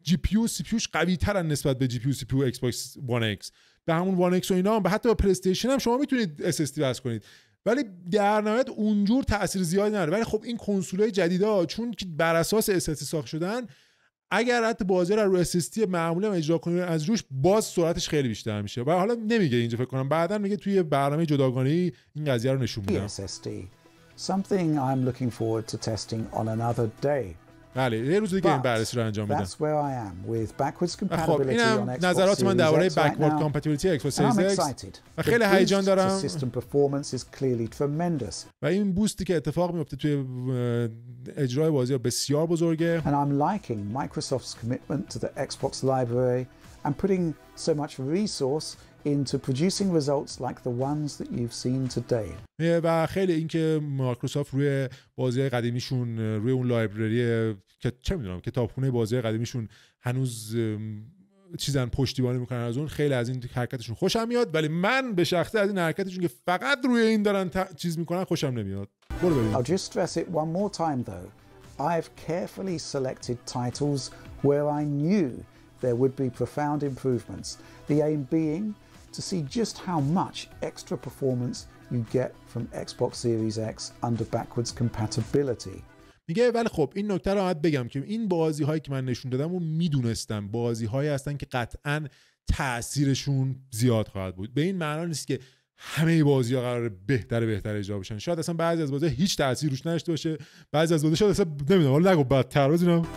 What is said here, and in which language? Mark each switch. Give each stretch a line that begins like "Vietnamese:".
Persian: GPU CPUش قوی ترن نسبت به GPU CPU Xbox One X، به همون One X و اینا هم، به حتی به پلی‌استیشن هم شما میتونید SSD بس کنید، ولی در نهایت اونجور تأثیر زیادی نداره. ولی خب این کنسولای جدیدا چون که بر اساس SSD ساخته شدن، اگر حتی بازی رو SSD معمولی هم اجرا کنید از روش، باز سرعتش خیلی بیشتر میشه. و حالا نمیگه اینجا، فکر کنم بعدا میگه توی برنامه جداگانه‌ای این قضیه رو نشون میده.
English: SSD something I'm looking forward to testing on another day.
Persian: بله، یه روز دیگه این بررسی رو انجام میدم.
English: That's where I am with backwards compatibility.
Persian: خب این هم نظرات من درباره backward compatibility Xbox Series X. و خیلی هیجان دارم.
English: System performance is clearly tremendous.
Persian: و این بوستی که اتفاق میفته توی اجرای بازی‌ها بسیار بزرگه.
English: And I'm liking Microsoft's commitment to the Xbox library and putting so much resource into producing results like the ones that you've seen today.
Persian: و خیلی اینکه مایکروسافت روی بازی‌های قدیمیشون، روی اون لایبرری که چه می‌دونم کتابخونه بازی‌های قدیمیشون هنوز چیزن پشتیبانی می‌کنن از اون، خیلی از این حرکتشون خوشم میاد، ولی من به شخصه از این حرکتشون که فقط روی این دارن چیز می‌کنن خوشم نمیاد. برو ببین.
English: I'll just stress it one more time though. I've carefully selected titles where I knew there would be profound improvements. The aim being to see just how much extra performance you get from Xbox Series X under backwards compatibility.
Persian: میگه ولی خب این نکته رو باید بگم که این بازی هایی که من نشون دادم و میدونستم بازی هایی هستن که قطعا تأثیرشون زیاد خواهد بود. به این معنا نیست که همه بازی ها قرار بهتر بهتر اجرا بشن. شاید اصلا بعضی از بازی هیچ تأثیر روش نشته باشه، بعضی از بازی شاید اصلا نمیدونم، حالا نگو بدتر بزنم.